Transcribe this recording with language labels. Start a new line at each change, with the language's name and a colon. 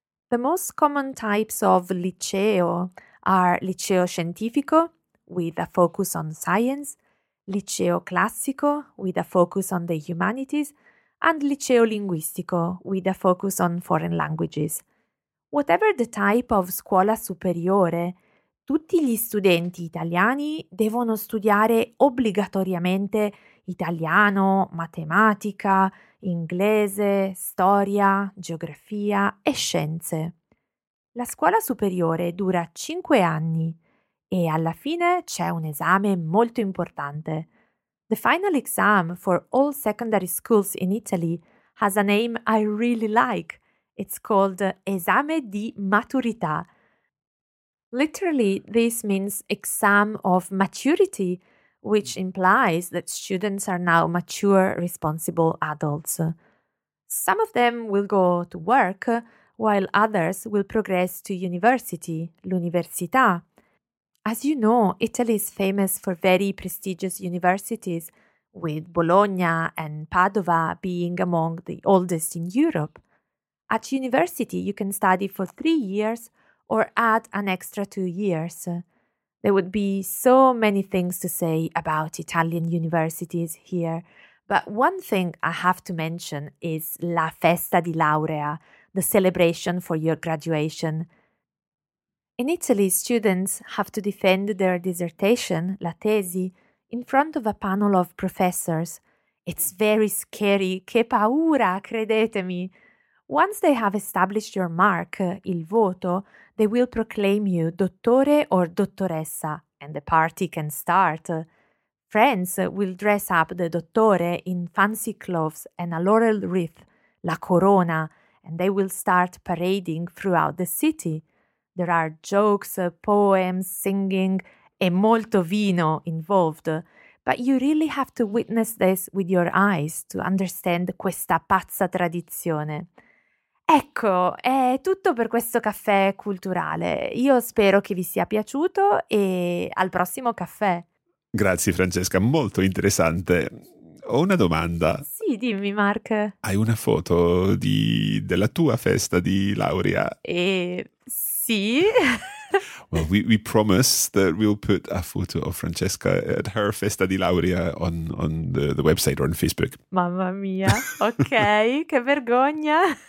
English: The most common types of liceo are liceo scientifico, with a focus on science, liceo classico, with a focus on the humanities, and liceo linguistico, with a focus on foreign languages. Whatever the type of
Italian: scuola superiore, tutti gli studenti italiani devono studiare obbligatoriamente italiano, matematica, inglese, storia, geografia e scienze. La scuola superiore dura 5 anni e alla fine c'è un esame molto importante.
English: The final exam for all secondary schools in Italy has a name I really like. It's called Esame di Maturità. Literally, this means exam of maturity, which implies that students are now mature, responsible adults. Some of them will go to work, while others will progress to university, l'università. As you know, Italy is famous for very prestigious universities, with Bologna and Padova being among the oldest in Europe. At university, you can study for 3 years or add an extra 2 years. There would be so many things to say about Italian universities here, but one thing I have to mention is
Italian: la festa di laurea,
English: the celebration for your graduation. In Italy, students have to defend their dissertation, la tesi, in front of a panel of professors. It's very scary,
Italian: che paura, credetemi!
English: Once they have established your mark, il voto, they will proclaim you dottore or dottoressa, and the party can start. Friends will dress up the dottore in fancy clothes and a laurel wreath, la corona, and they will start parading throughout the city. There are jokes, poems, singing,
Italian: e molto vino
English: involved, but you really have to witness this with your eyes to understand
Italian: questa pazza tradizione. Ecco, è tutto per questo caffè culturale. Io spero che vi sia piaciuto e al prossimo caffè. Grazie Francesca, molto interessante. Ho una domanda. Sì, dimmi Mark. Hai una foto della tua festa di laurea? Sì.
English: Well, we promise that we'll put a photo of Francesca at her festa di laurea on the website or on Facebook.
Italian: Mamma mia, ok, che vergogna.